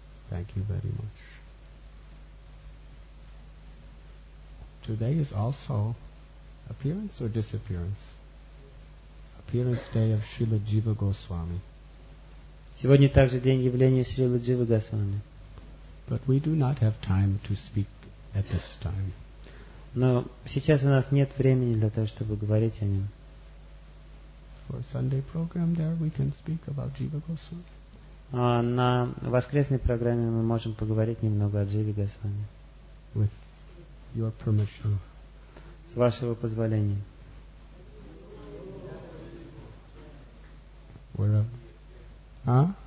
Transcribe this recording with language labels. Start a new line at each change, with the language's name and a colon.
English: Thank you very much. Today is also appearance or disappearance? Appearance day of Srila Jiva Goswami.
Russian: Сегодня также день явления Шрилы Дживы Госвами.
English: But we do not have time to speak at this time.
Russian: Но сейчас у нас нет времени для того, чтобы говорить о нем.
English: For Sunday program there we can speak about Jiva Goswami.
Russian: На воскресной программе мы можем поговорить немного о Дживе Госвами.
English: With Your permission.
Russian: С вашего позволения.
English: Where? Huh?